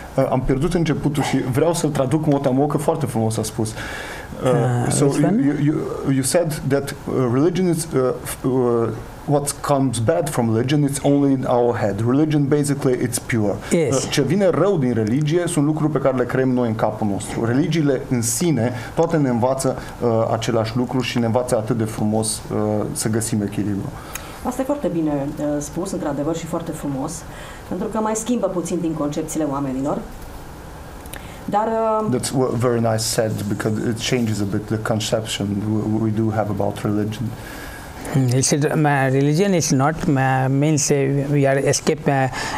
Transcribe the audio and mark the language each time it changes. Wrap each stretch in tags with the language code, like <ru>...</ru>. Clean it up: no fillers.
<ro>Am pierdut începutul și vreau să-l traduc motamo, că foarte frumos a spus.</ro> <en>So you said that religion is what comes bad from religion, it's only in our head. Religion, basically, it's pure. Yes.</en> <ro>Ce vine rău din religie sunt lucruri pe care le creăm noi în capul nostru. Religiile în sine toate ne învață același lucru și ne învață atât de frumos să găsim echilibru. Asta e foarte bine spus, într-adevăr, și foarte frumos, pentru că mai schimbă puțin din concepțiile oamenilor. Dar</ro> <en>that's very nice said, because it changes a bit the conception we do have about religion. He said, religion is not means we are escape.</en>